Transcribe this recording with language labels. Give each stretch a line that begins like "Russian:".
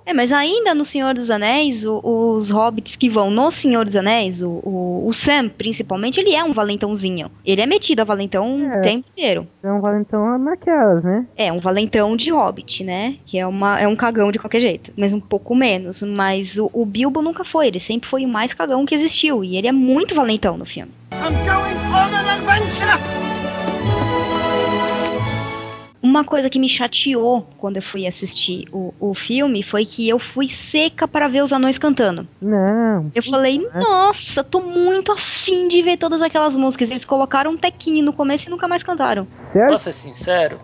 Portuguese: É, mas ainda no Senhor dos Anéis, os hobbits que vão no Senhor dos Anéis, o Sam, principalmente, ele é um valentãozinho. Ele é metido a valentão o tempo inteiro. É um valentão naquelas, né? É, um valentão de hobbit, né? Que é um cagão de qualquer jeito, mas um pouco menos. Mas o Bilbo nunca foi, ele sempre foi o mais cagão que existiu. E ele é muito valentão no filme.
English: I'm going on an adventure!
Portuguese: Uma coisa que me chateou quando eu fui assistir o filme foi que eu fui seca para ver os anões cantando. Não. Eu falei, nossa, tô muito afim de ver todas aquelas músicas. Eles colocaram um tequinho no começo e nunca mais cantaram. Certo? Posso ser sincero?